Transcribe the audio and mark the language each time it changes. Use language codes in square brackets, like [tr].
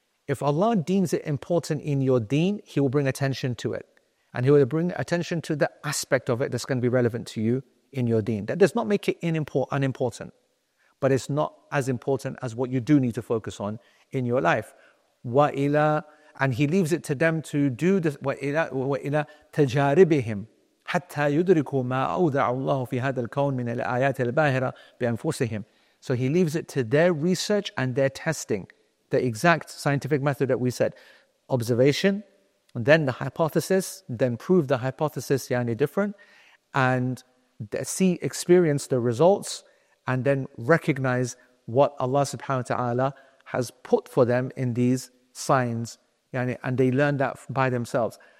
[en] If Allah deems it important in your deen, He will bring attention to it. And He will bring attention to the aspect of it that's going to be relevant to you in your deen. That does not make it unimportant, but it's not as important as what you do need to focus on in your life. وَإِلَىٰ And He leaves it to them to do this. [ar] وَإِلَىٰ تَجَارِبِهِمْ حَتَّى يُدْرِكُوا مَا أَوْضَعُ اللَّهُ فِي هَذَا الْكَوْنِ مِنَ الْآيَاتِ الْبَاهِرَةِ بِأَنفُسِهِمْ [en] So He leaves it to their research and their testing. The exact scientific method that we said, observation, and then the hypothesis, then prove the hypothesis different, and see, experience the results, and then recognize what Allah subhanahu wa ta'ala has put for them in these signs, and they learn that by themselves.